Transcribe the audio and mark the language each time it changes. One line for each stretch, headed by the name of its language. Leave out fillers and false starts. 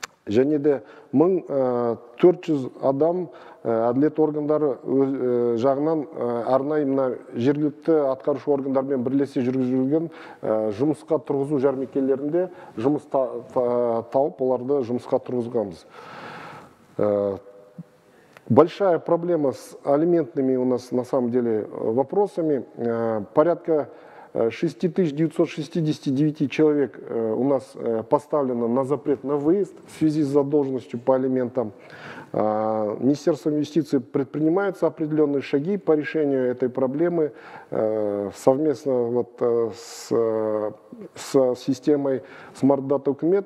Kazakh: және де 1400 адам әділет органдары жағынан арнайы мына жергілікті атқарушы органдармен бірлесе жүргізілген жұмысқа тұрғызу жәрмеңкелерінде жұмыс тауып оларды жұмысқа тұрғызғанбыз.
Russian: Большая проблема с алиментными у нас на самом деле вопросами. Порядка 6969 человек у нас поставлено на запрет на выезд в связи с задолженностью по алиментам. Министерством юстиции предпринимаются определенные шаги по решению этой проблемы совместно вот с системой Smart Data Ukmet.